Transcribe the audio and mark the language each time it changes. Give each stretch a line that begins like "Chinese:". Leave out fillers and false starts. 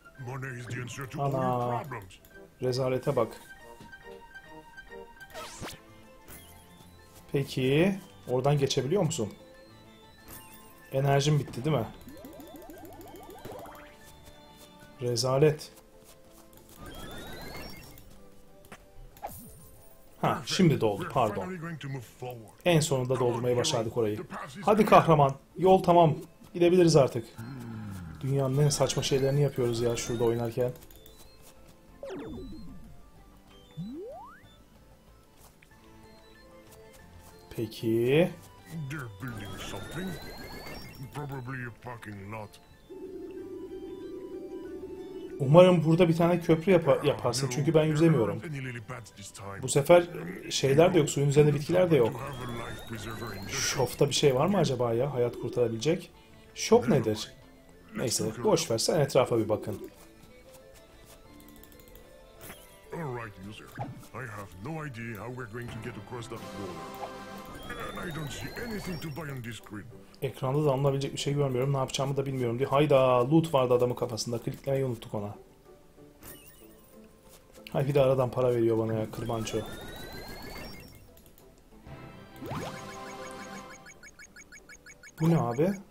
English: Money is the answer to all your problems.
Turkish: Rezalete bak. Peki, oradan geçebiliyor musun? Enerjim bitti değil mi? Rezalet. Ha, şimdi doldu, pardon. En sonunda doldurmayı başardık orayı. Hadi kahraman, yol tamam. Gidebiliriz artık. Dünyanın en saçma şeylerini yapıyoruz ya şurada oynarken. Peki.
English: They're building something. Probably a parking lot.
Turkish: Umarım burada bir tane köprü yaparsın çünkü ben yüzemiyorum. Bu sefer şeyler de yok, suyun üzerinde bitkiler de yok. Şofta bir şey var mı acaba ya, hayat kurtarabilecek? Şof nedir? Neyse, boş ver, sen etrafa bir bakın.
English: Alright, user. I have no idea how we're going to get across that wall. I don't see anything to buy on this screen.
Turkish: Ekranda da anlayabilecek bir şey görmüyorum. Ne yapacağımı da bilmiyorum diye. Hayda, loot vardı adamın kafasında. Kliklemeyi unuttuk ona. Hay bir de aradan para veriyor bana ya kırbanço. Bu ne abi?